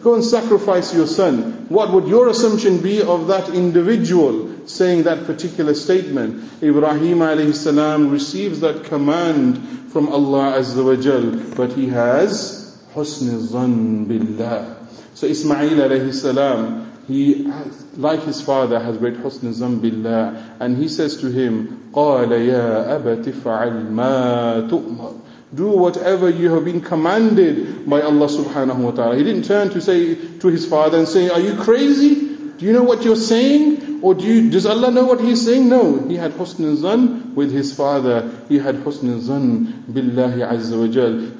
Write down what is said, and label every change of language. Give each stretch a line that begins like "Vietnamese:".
English: Go and sacrifice your son. What would your assumption be of that individual saying that particular statement? Ibrahim alayhi salam receives that command from Allah azza wa jal, but he has husnul zan billah. So Ismail alayhi salam, he, like his father, has great husnul zan billah. And he says to him,
Arabic: قَالَ يَا أَبَتِ فَعَلْ مَا تُؤْمَرُ.
English: Do whatever you have been commanded by Allah subhanahu wa ta'ala. He didn't turn to say to his father and say, are you crazy? Do you know what you're saying? Or does Allah know what he's saying? No. He had husnul zan with his father. He had husnul zan billahi azza wa jal.